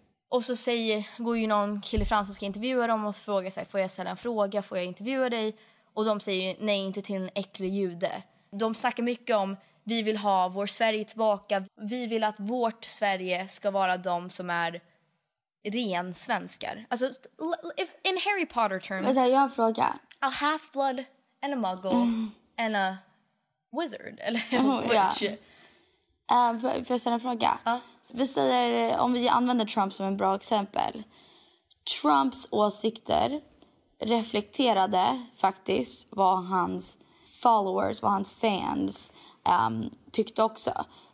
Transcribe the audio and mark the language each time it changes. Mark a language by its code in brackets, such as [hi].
[sv] Och så går ju någon kille fram som ska intervjua dem och frågar sig, får jag ställa en fråga, får jag intervjua dig? Och de säger nej, inte till en äcklig jude. De snackar mycket om vi vill ha vår Sverige tillbaka. Vi vill att vårt Sverige ska vara de som är ren svenskar. [en] Alltså, in Harry Potter terms. [sv] Vänta, jag har en fråga. [en] A half-blood and a muggle and a wizard. [sv] Eller witch. Yeah. Får jag ställa en fråga? Vi säger, om vi använder Trump som en bra exempel. Trumps åsikter reflekterade faktiskt vad hans followers, vad hans fans tyckte också.